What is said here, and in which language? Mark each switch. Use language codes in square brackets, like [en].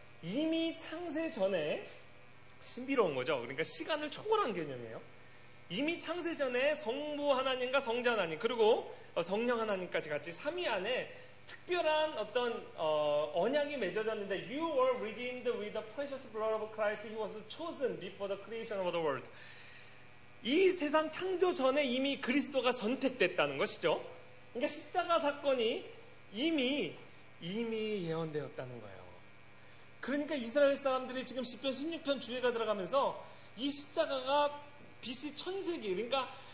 [ko] 이미 창세 전에 신비로운 거죠. 그러니까 시간을 초월한 개념이에요. 이미 창세 전에 성부 하나님과 성자 하나님 그리고 성령 하나님까지 같이 삼위 안에 특별한 어떤 언약이 맺어졌는데 [en] You were redeemed with the precious blood of Christ. He was chosen before the creation of the world. [ko] 이 세상 창조 전에 이미 그리스도가 선택됐다는 것이죠. 그러니까 십자가 사건이 이미 예언되었다는 거예요. 그러니까 이스라엘 사람들이 지금 10편, 16편 주회가 들어가면서 이 십자가가 BC 1000세기, 그러니까